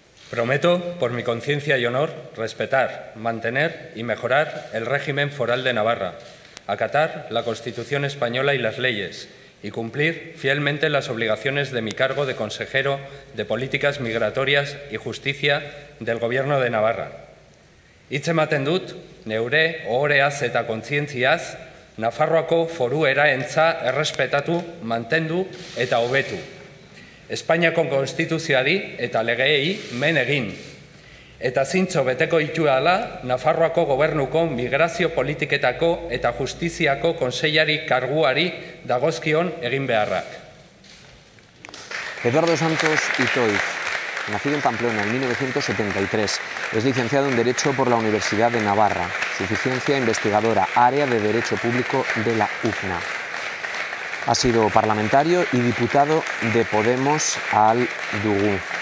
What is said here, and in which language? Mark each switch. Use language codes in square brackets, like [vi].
[es] Prometo, por mi conciencia y honor, respetar, mantener y mejorar el régimen foral de Navarra, acatar la Constitución española y las leyes y cumplir fielmente las obligaciones de mi cargo de consejero de Políticas Migratorias y Justicia del Gobierno de Navarra. [eu] Hitzematen dut, neure ohoreaz eta kontzientziaz, Nafarroako foru eraentza errespetatu, mantendu eta hobetu. Espainiako konstituzioari eta legeei men egin. Eta zintzo beteko ituala, Nafarroako gobernuko migrazio politiketako eta justiziako konseilari karguari dagozkion egin beharrak. [es] Eduardo Santos Itoiz, nacido en Pamplona en 1973, es licenciado en Derecho por la Universidad de Navarra, suficiencia investigadora, área de Derecho Público de la UFNA. Ha sido parlamentario y diputado de Podemos al Dugu.